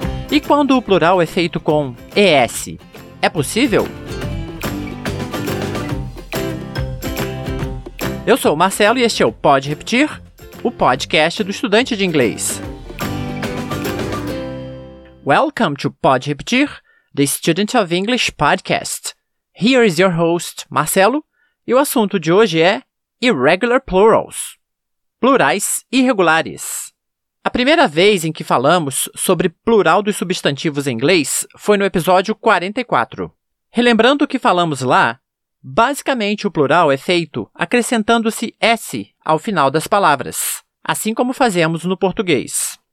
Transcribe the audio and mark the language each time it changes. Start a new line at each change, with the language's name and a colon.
Portuguese: E quando o plural é feito com ES, é possível? Eu sou o Marcelo e este é o Pode Repetir, o podcast do estudante de inglês.
English: Welcome to Pode Repetir, the Student of English Podcast. Here is your host,
Portuguese: Marcelo, e o assunto de hoje é
English: Irregular Plurals,
Portuguese: plurais irregulares. A primeira vez em que falamos sobre plural dos substantivos em inglês foi no episódio 44. Relembrando o que falamos lá, basicamente o plural é feito acrescentando-se S ao final das palavras, assim como fazemos no português.